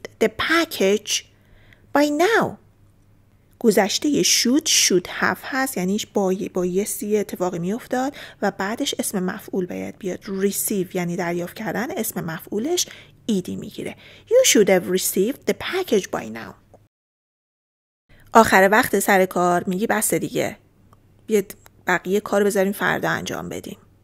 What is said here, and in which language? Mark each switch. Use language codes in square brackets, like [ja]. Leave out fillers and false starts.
[en] You should have received the package by now. [fa] گذشته یه should have هست، یعنی بایستی اتفاقی می افتاد و بعدش اسم مفعول باید بیاد. receive یعنی دریافت کردن، اسم مفعولش ایدی می گیره. [en] You should have received the package by now. [fa] آخر وقت سر کار میگی بسه دیگه، بیاد بقیه کار بذاریم فردا انجام بدیم.